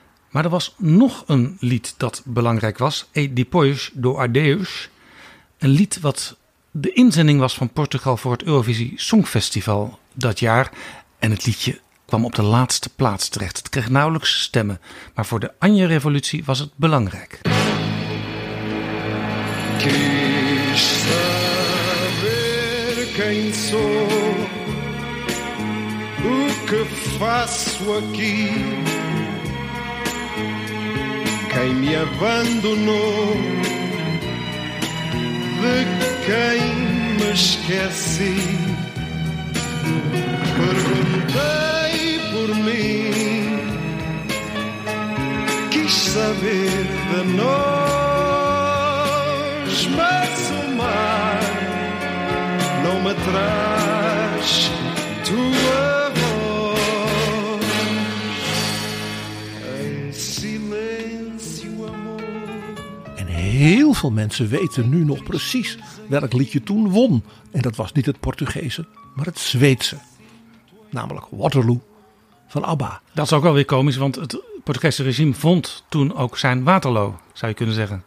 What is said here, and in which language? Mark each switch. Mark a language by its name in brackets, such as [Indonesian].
[Dutch] Maar er was nog een lied dat belangrijk was, E Depois do Adeus. Een lied wat de inzending was van Portugal voor het Eurovisie Songfestival dat jaar. En het liedje kwam op de laatste plaats terecht. Het kreeg nauwelijks stemmen, maar voor de Anjer-revolutie was het belangrijk. [Portuguese] Quis saber quem sou, o que faço aqui, quem me abandonou, de quem me esqueci. Perguntei por mim, quis saber de nós. Mas o mar não me traz tua voz. Em silêncio, amor. [Dutch] En heel veel mensen weten nu nog precies welk liedje toen won. En dat was niet het Portugese, maar het Zweedse. Namelijk Waterloo van ABBA. Dat is ook wel weer komisch, want het Portugese regime vond toen ook zijn Waterloo, zou je kunnen zeggen.